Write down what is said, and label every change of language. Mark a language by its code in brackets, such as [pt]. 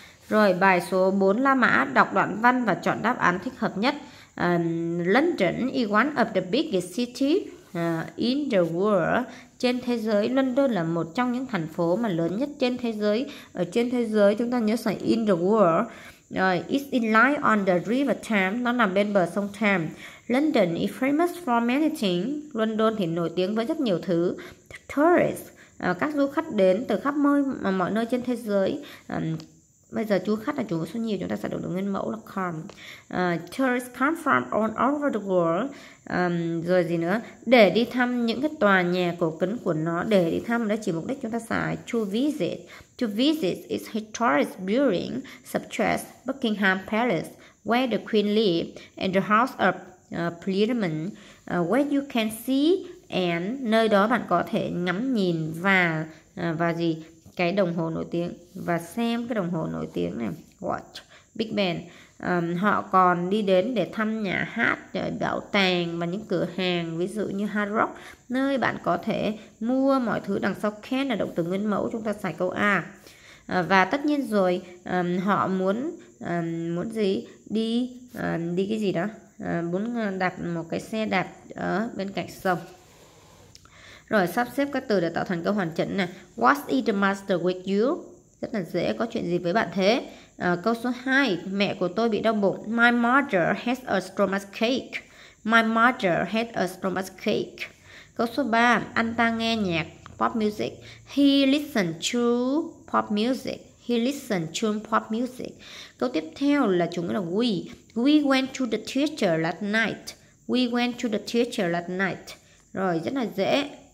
[vi] Rồi bài số 4 la mã, đọc đoạn văn và chọn đáp án thích hợp nhất. [en] London is one of the biggest cities in the world, [vi] trên thế giới. London là một trong những thành phố mà lớn nhất trên thế giới. Ở trên thế giới chúng ta nhớ xài [en] in the world. Rồi, it's in line on the river Thames, [vi] nó nằm bên bờ sông Thames. [en] London is famous for many things, [vi] London thì nổi tiếng với rất nhiều thứ. Tourists, các du khách đến từ khắp mọi nơi trên thế giới. Bây giờ du khách là chủ số nhiều, chúng ta sẽ đổi nguyên mẫu là come. [en] Tourists come from all over the world. [vi] Rồi gì nữa, để đi thăm những cái tòa nhà cổ kính của nó, để đi thăm đó chỉ mục đích chúng ta xài [en] to visit. To visit its historic building such as Buckingham Palace, where the Queen lived, and the House of Parliament, where you can see, and [vi] nơi đó bạn có thể ngắm nhìn và gì, cái đồng hồ nổi tiếng, và xem cái đồng hồ nổi tiếng này, [en] watch, Big Ben. [vi] Họ còn đi đến để thăm nhà hát, bảo tàng và những cửa hàng, ví dụ như Hard Rock, nơi bạn có thể mua mọi thứ. Đằng sau can là động từ nguyên mẫu, chúng ta xài câu A. Và tất nhiên rồi, họ muốn muốn gì, đi đi cái gì đó, muốn đạp một cái xe đạp ở bên cạnh sông. Rồi sắp xếp các từ để tạo thành câu hoàn chỉnh nè. [en] What is the matter with you? [vi] Rất là dễ, có chuyện gì với bạn thế? Câu số 2, mẹ của tôi bị đau bụng. [en] My mother has a stomachache. My mother has a stomachache. [vi] Câu số 3, anh ta nghe nhạc pop music. [en] He listened to pop music. He listened to pop music. [vi] Câu tiếp theo là chúng là we. [en] We went to the theater last night. We went to the theater last night. [vi] Rồi rất là dễ,